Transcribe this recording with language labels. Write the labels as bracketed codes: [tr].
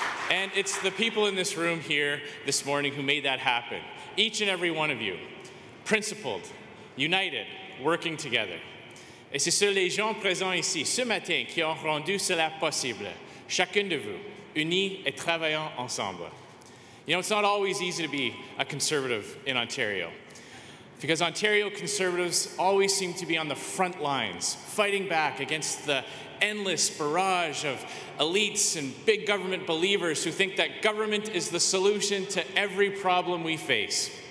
[en] And it's the people in this room here this morning who made that happen. Each and every one of you, principled, united, working together. [fr] Et c'est sur les gens présents ici ce matin qui ont rendu cela possible. Chacun de vous, unis et travaillant ensemble. [en] You know, it's not always easy to be a conservative in Ontario, because Ontario conservatives always seem to be on the front lines, fighting back against the endless barrage of elites and big government believers who think that government is the solution to every problem we face.